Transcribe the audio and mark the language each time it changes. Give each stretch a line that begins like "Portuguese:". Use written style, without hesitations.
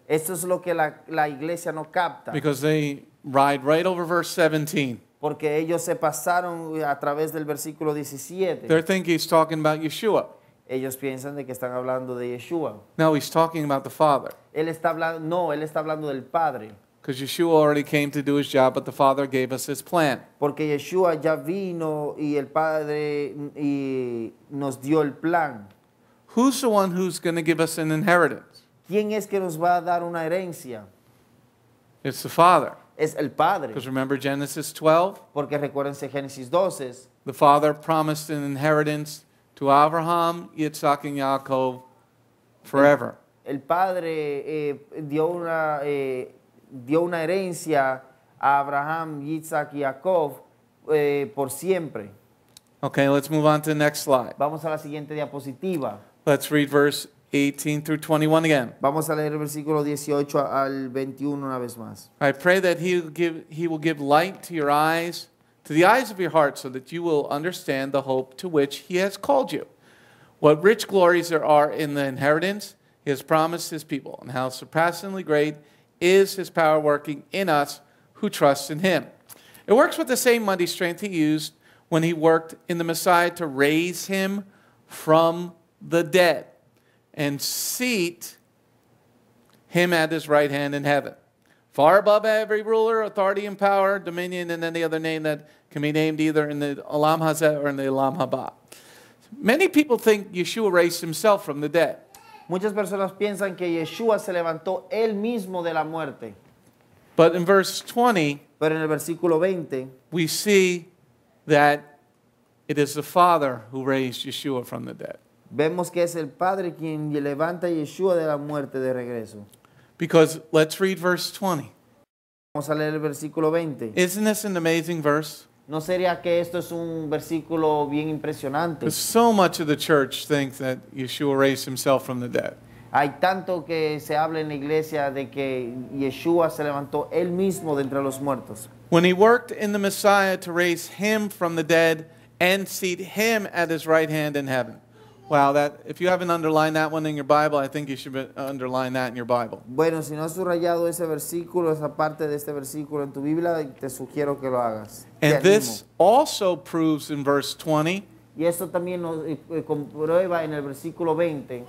Spanish: Eso es lo que la iglesia no capta.
English: Because they ride right over verse 17.
Spanish: Porque ellos se pasaron a través del versículo 17.
English: They're thinking he's talking about Yeshua.
Spanish: Ellos piensan de que están hablando de Yeshua.
English: No, he's talking about the Father.
Spanish: Él está hablando, no, él está hablando del Padre.
English: Because Yeshua already came to do his job, but the Father gave us his plan.
Spanish: Porque Yeshua ya vino y el Padre y nos dio el plan.
English: Who's the one who's going to give us an inheritance?
Spanish: ¿Quién es que nos va a dar una herencia?
English: It's the Father.
Spanish: Es el Padre.
English: Because remember Genesis 12?
Spanish: Porque recuérdense Génesis 12.
English: The Father promised an inheritance to Abraham, Yitzhak, and Yaakov forever.
Spanish: El Padre dio una herencia a Abraham, Yitzhak, y Jacob por siempre.
English: Okay, let's move on to the next slide.
Spanish: Vamos a la siguiente diapositiva.
English: Let's read verse 18 through 21 again.
Spanish: Vamos a leer el versículo 18 al 21 una vez más.
English: I pray that he will give light to your eyes, to the eyes of your heart, so that you will understand the hope to which he has called you. What rich glories there are in the inheritance he has promised his people, and how surpassingly great is his power working in us who trust in him. It works with the same mighty strength he used when he worked in the Messiah to raise him from the dead and seat him at his right hand in heaven, far above every ruler, authority, and power, dominion, and any other name that can be named either in the Olam Hazeh or in the Olam Haba. Many people think Yeshua raised himself from the dead.
Spanish: Muchas personas piensan que Yeshua se levantó él mismo de la muerte.
English: But in verse 20,
Spanish: pero en el versículo 20,
English: we see that it is the Father who raised Yeshua from the dead.
Spanish: Vemos que es el Padre quien levanta a Yeshua de la muerte de regreso.
English: Because let's read verse 20.
Spanish: Vamos a leer el versículo 20.
English: Isn't this an amazing verse?
Spanish: ¿No sería que esto es un versículo bien impresionante?
English: Because so much of the church thinks that Yeshua raised himself from the dead.
Spanish: Hay tanto que se habla en la iglesia de que Yeshua se levantó él mismo de entre los muertos.
English: When he worked in the Messiah to raise him from the dead and seat him at his right hand in heaven. Wow, that if you haven't underlined that one in your Bible, I think you should underline that in your Bible.
Spanish: Bueno, si no has subrayado ese versículo, esa parte de este versículo en tu Biblia, te sugiero que lo hagas.
English: And this also proves in verse 20.
Spanish: Y esto también nos comprueba en el versículo 20.